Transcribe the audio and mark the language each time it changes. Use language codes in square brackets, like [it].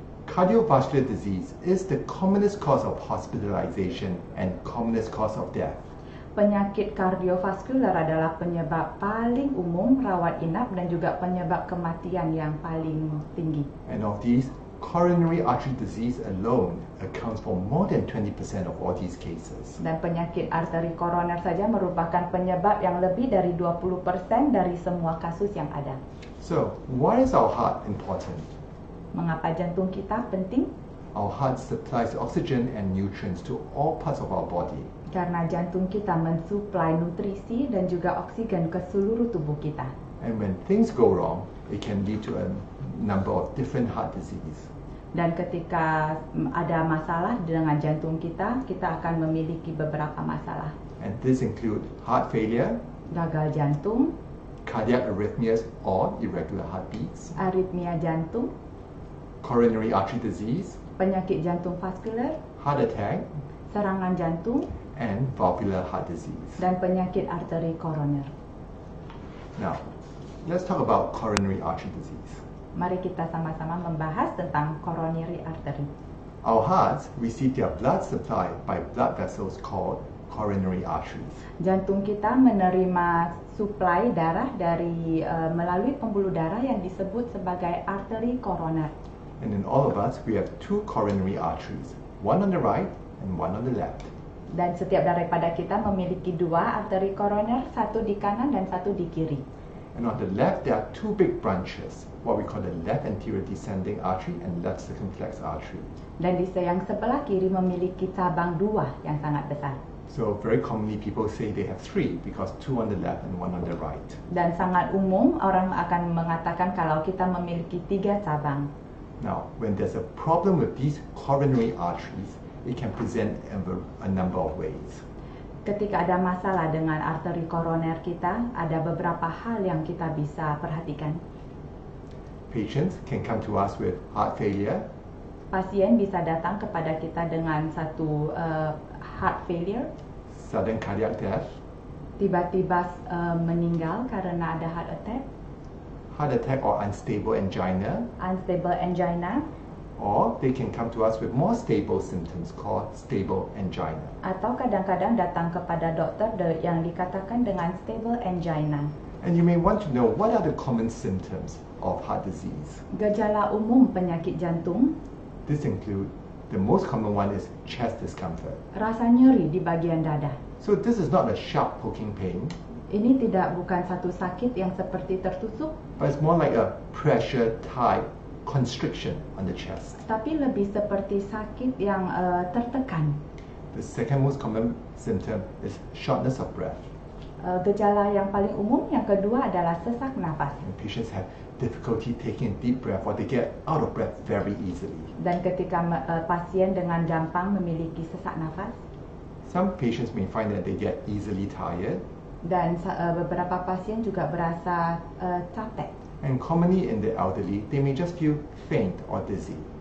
[en] cardiovascular disease is the commonest cause of hospitalization and commonest cause of death. [id] Penyakit kardiovaskular adalah penyebab paling umum rawat inap dan juga penyebab kematian yang paling tinggi. [en] And of these, coronary artery disease alone accounts for more than 20% of all these cases. [id] Dan penyakit arteri koroner saja merupakan penyebab yang lebih dari 20% dari semua kasus yang ada. [en] So, why is our heart important? [id] Mengapa jantung kita penting? [en] Our heart supplies oxygen and nutrients to all parts of our body. [id] Karena jantung kita mensuplai nutrisi dan juga oksigen ke seluruh tubuh kita. [en] And when things go wrong, it can lead to a number of different heart diseases. [id] Dan ketika ada masalah dengan jantung kita, kita akan memiliki beberapa masalah. [en] And this include heart failure, [id] gagal jantung, [en] cardiac arrhythmias or irregular heartbeats, [id] aritmia jantung, [en] coronary artery disease, [id] penyakit jantung vaskular, [en] heart attack, [id] serangan jantung, [en] and valvular heart disease, [id] dan penyakit arteri koroner. [en] Now, let's talk about coronary artery disease. [id] Mari kita sama-sama membahas tentang coronary artery. [en] Our hearts receive their blood supply by blood vessels called coronary arteries. [id] Jantung kita menerima suplai darah dari melalui pembuluh darah yang disebut sebagai arteri koroner. [en] And in all of us, we have two coronary arteries, one on the right and one on the left. [id] Dan setiap daripada kita memiliki dua arteri koroner, satu di kanan dan satu di kiri. [en] And on the left, there are two big branches, what we call the left anterior descending artery and left circumflex artery. [id] Dan di yang sebelah kiri memiliki cabang dua yang sangat besar. [en] So very commonly people say they have three because two on the left and one on the right. [id] Dan sangat umum orang akan mengatakan kalau kita memiliki tiga cabang. [en] Now, when there's a problem with these coronary arteries, it can present a number of ways. [id] Ketika ada masalah dengan arteri koroner kita, ada beberapa hal yang kita bisa perhatikan. [en] Patients can come to us with heart failure. [id] Pasien bisa datang kepada kita dengan satu heart failure. [en] Sudden cardiac death. [id] Tiba-tiba meninggal karena ada heart attack. [en] Heart attack or unstable angina. Unstable angina. Or they can come to us with more stable symptoms called stable angina. [id] Atau kadang-kadang datang kepada dokter yang dikatakan dengan stable angina. [en] And you may want to know what are the common symptoms of heart disease. [id] Gejala umum penyakit jantung. [en] This include the most common one is chest discomfort. [id] Rasa nyeri di bagian dada. [en] So this is not a sharp poking pain. [id] Ini tidak bukan satu sakit yang seperti tertusuk. [en] But it's more like a pressure tight constriction on the chest. [id] Tapi lebih seperti sakit yang tertekan. [en] The second most common symptom is shortness of breath. [id] Gejala yang paling umum yang kedua adalah sesak napas. [en] And patients have difficulty taking a deep breath or they get out of breath very easily. [id] Dan ketika pasien dengan gampang memiliki sesak napas. [en] Some patients may find that they get easily tired. [id] Dan beberapa pasien juga berasa capek. [en] And commonly in the elderly, they may just feel faint or dizzy.